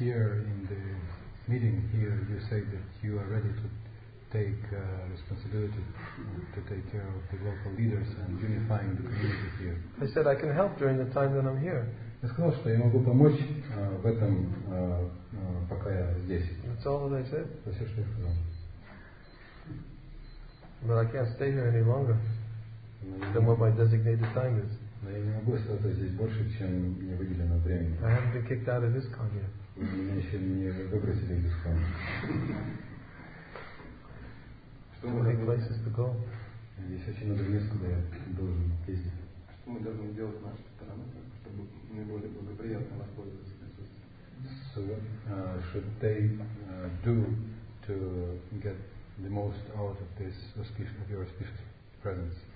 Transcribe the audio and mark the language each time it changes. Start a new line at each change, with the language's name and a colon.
English: year in the meeting here, you said that you are ready to take responsibility to take care of the local leaders and unifying the community here. I said I can help during the time that I'm here.
Russian: Я сказал, что я могу помочь в этом, пока я здесь.
English: That's all that I said.
Russian: Это все, что я сказал.
English: But I can't stay here any longer than what my designated time is.
Russian: Но я не могу остаться здесь больше, чем мне выделено время.
English: I haven't been kicked out of ISKCON yet.
Russian: Меня еще не выбросили из ISKCON. Что мы должны делать? Есть очень много мест, куда я должен ездить. Что мы должны делать с нашей стороны, чтобы наиболее благоприятно воспользоваться присутствием?
English: So what should they do to get the most out of this auspicious, your auspicious presence?